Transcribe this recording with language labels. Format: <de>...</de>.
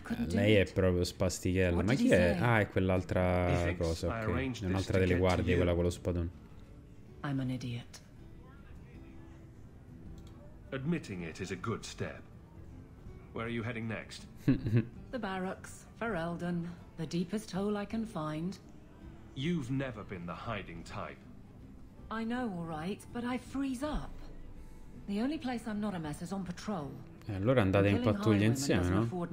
<it>Lei è proprio spastichella. Ma chi è? Ah, è quell'altra cosa, ok. È un'altra delle guardie, quella con lo spadone.</it> <en>I'm an idiot. Admitting it is a good step. Where are you heading next? The barracks, Ferelden, the deepest hole I can find. You've never been the hiding type. I know, all right, but I freeze up. The only place I'm not a mess is on patrol.</en> <it>Allora andate in pattuglia insieme, no?</it>